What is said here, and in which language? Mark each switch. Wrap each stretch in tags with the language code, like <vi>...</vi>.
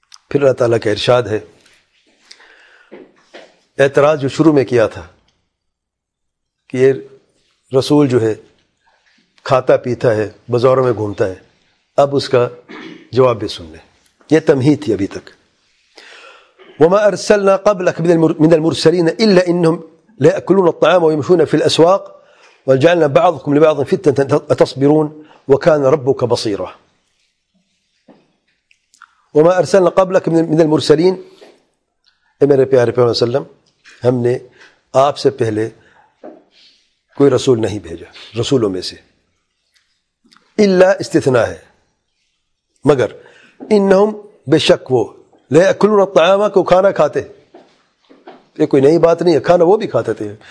<ur>پھر اللہ تعالیٰ کا ارشاد ہے, اعتراض جو شروع میں کیا تھا کہ یہ رسول جو ہے کھاتا پیتا ہے بازاروں میں گھومتا ہے, اب اس کا جواب بھی سن لیں. یہ تمہید تھی ابھی تک.</ur> <ar>وما ارسلنا قبلك من المرسلين الا انهم لياكلون الطعام ويمشون في الاسواق وجعلنا بعضكم لبعض فتنة اتصبرون وكان ربك بصيرا. وما ارسلنا قبلك من المرسلين,</ar> <ur>میرے پیارے پیغمبر صلی اللہ علیہ وسلم, ہم نے آپ سے پہلے کوئی رسول نہیں بھیجا رسولوں میں سے, الا استثناء ہے, مگر انہم بے شک وہ</ur> <ar>لے اکلون الطعام,</ar> <ur>کو کھانا کھاتے, یہ کوئی نئی بات نہیں ہے, کھانا وہ بھی کھاتے تھے.</ur>